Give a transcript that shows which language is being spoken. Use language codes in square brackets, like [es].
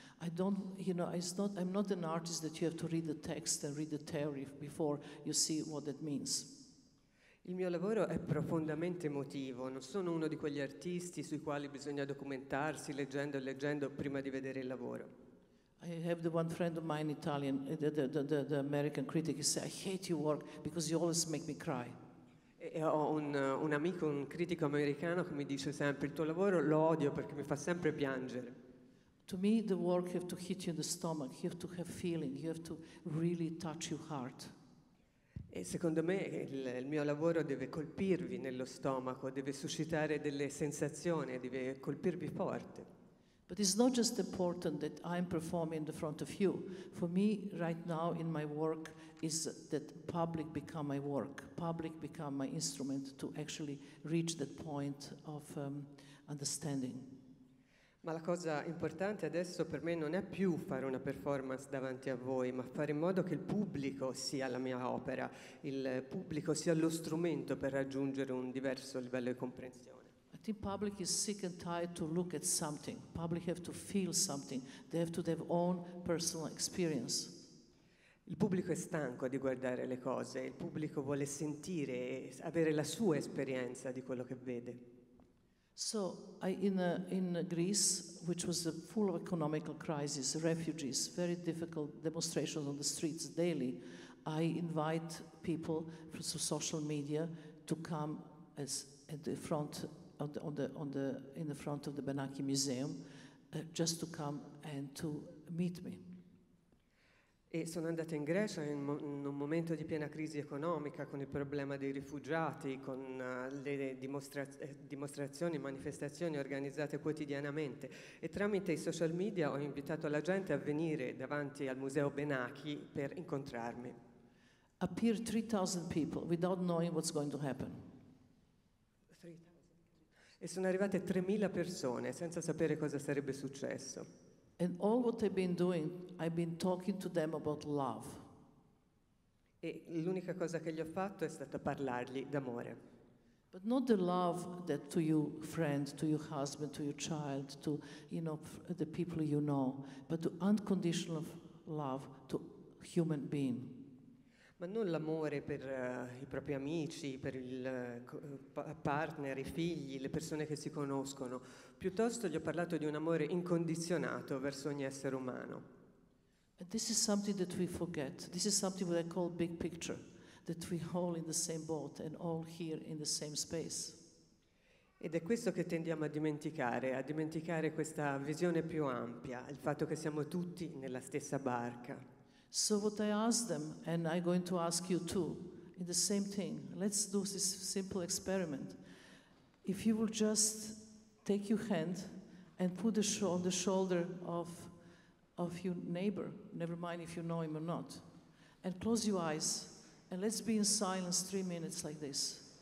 [en] I'm not an artist that you have to read the text and read the theory before you see what that means. [it] Il mio lavoro è profondamente emotivo, non sono uno di quegli artisti sui quali bisogna documentarsi leggendo e leggendo prima di vedere il lavoro. [en] I have the one friend of mine Italian, the American critic, he said, I hate your work because you always make me cry. [it] E ho un amico, un critico americano che mi dice sempre, il tuo lavoro lo odio perché mi fa sempre piangere. [en] To me the work have to hit you in the stomach, you have to have feeling, you have to really touch your heart. [it] E secondo me il mio lavoro deve colpirvi nello stomaco, deve suscitare delle sensazioni, deve colpirvi forte. [en] But it's not just important that I'm performing in the front of you. For me right now in my work is that public become my work, public become my instrument to actually reach that point of understanding. [it] Ma la cosa importante adesso per me non è più fare una performance davanti a voi, ma fare in modo che il pubblico sia la mia opera, il pubblico sia lo strumento per raggiungere un diverso livello di comprensione. [en] I think public is sick and tired to look at something. Public have to feel something. They have to have own personal experience. [it] Il pubblico è stanco di guardare le cose. Il pubblico vuole sentire e avere la sua esperienza di quello che vede. [en] So in Greece, which was a full of economical crisis, refugees, very difficult demonstrations on the streets daily, I invite people from social media to come as at the front of the, in the front of the Benaki Museum, just to come and to meet me. [it] E sono andata in Grecia in un momento di piena crisi economica, con il problema dei rifugiati, con le dimostrazioni, manifestazioni organizzate quotidianamente. E tramite i social media ho invitato la gente a venire davanti al Museo Benaki per incontrarmi. [en] Appear 3,000 people without knowing what's going to happen. [it] E sono arrivate 3,000 persone senza sapere cosa sarebbe successo. [en] And all what I've been doing, I've been talking to them about love. [it] E l'unica cosa che gli ho fatto è stato parlargli d'amore. [en] But not the love that to your friend, to your husband, to your child, to, you know, the people you know, but the unconditional love to human being. [it] Ma Ma non l'amore per i propri amici, per il partner, i figli, le persone che si conoscono. Piuttosto gli ho parlato di un amore incondizionato verso ogni essere umano. [en] And this is something that we forget. This is something what I call big picture, that we all in the same boat and all here in the same space. [it] Ed è questo che tendiamo a dimenticare questa visione più ampia, il fatto che siamo tutti nella stessa barca. [en] So what I ask them, and I'm going to ask you too, in the same thing. Let's do this simple experiment. If you will just take your hand and put it on the shoulder of your neighbor, never mind if you know him or not, and close your eyes, and let's be in silence 3 minutes like this.